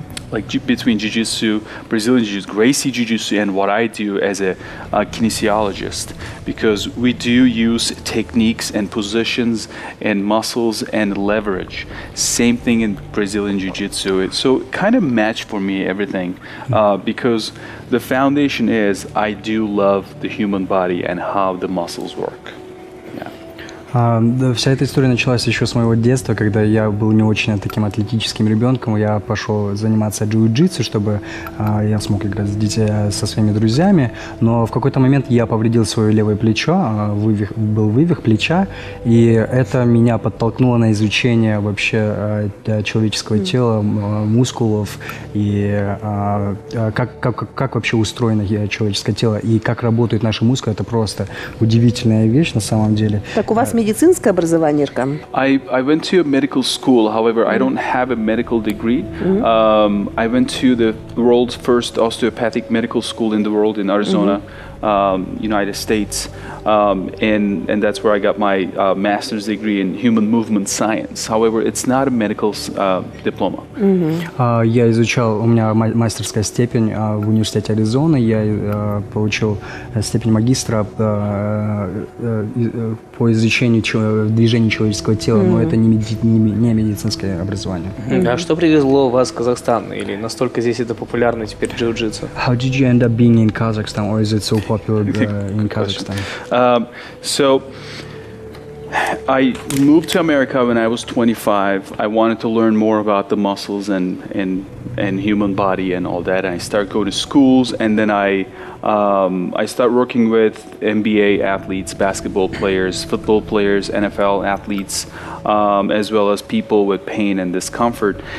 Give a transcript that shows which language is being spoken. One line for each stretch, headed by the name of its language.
English: Like between jiu-jitsu, Brazilian jiu-jitsu, Gracie jiu-jitsu, and what I do as a kinesiologist, because we do use techniques and positions and muscles and leverage. Same thing in Brazilian jiu-jitsu. So it kind of matched for me everything, because the foundation is I do love the human body and how the muscles work.
Russian: Да, вся эта история началась еще с моего детства, когда я был не очень таким атлетическим ребенком. Я пошел заниматься джиу-джитсу, чтобы я смог играть с детьми, со своими друзьями. Но в какой-то момент я повредил свое левое плечо, был вывих плеча. И это меня подтолкнуло на изучение вообще человеческого тела, мускулов и как вообще устроено человеческое тело и как работают наши мускулы. Это просто удивительная вещь на самом деле. Так у вас медицинское образование, Иркан?
English: I went to a medical school, however, I don't have a medical degree. I went to the world's first osteopathic medical school in the world in Arizona, United States, and that's where I got my master's degree in human movement science. However, it's not a medical diploma.
Russian: Я изучал, у меня мастерская степень в университете Аризоны. Я получил степень магистра по изучению движения человеческого тела, но это не медицинское образование. А что привезло вас в Казахстан? Или настолько здесь это популярно теперь джиу-джитсу?
English: How did you end up being in Kazakhstan, or is it so popular? In Kazakhstan. So I moved to America when I was 25. I wanted to learn more about the muscles and human body and all that. And I started going to schools, and then I start working with NBA athletes, basketball players, football players, NFL athletes, as well as people with pain and discomfort.